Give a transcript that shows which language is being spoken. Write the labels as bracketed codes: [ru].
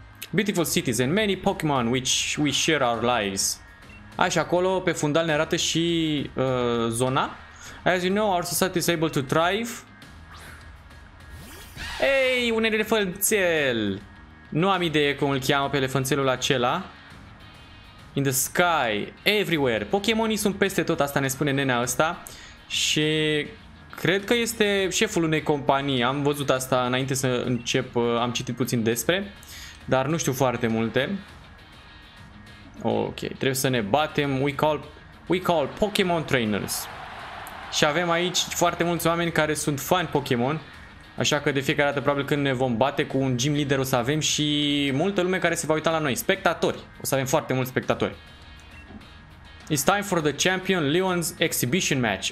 [en] Beautiful cities and many Pokemon which we share our lives. [ro] Așa, acolo pe fundal ne arată și zona. [en] As you know, our society is able to thrive. [ro] Ei, un elefantel! Nu am idee cum îl cheamă pe elefantelul acela. [en] In the sky, everywhere. [ro] Pokemonii sunt peste tot, asta ne spune nenea ăsta. Și cred că este șeful unei companii. Am văzut asta înainte să încep, am citit puțin despre. Dar nu știu foarte multe. Ok, trebuie să ne batem. [en] We call Pokémon trainers. [ro] Și avem aici foarte mulți oameni care sunt fani Pokémon. Așa că de fiecare dată probabil când ne vom bate cu un gym leader o să avem și multă lume care se va uita la noi. Spectatori. O să avem foarte mulți spectatori. [en] It's time for the champion Leon's exhibition match.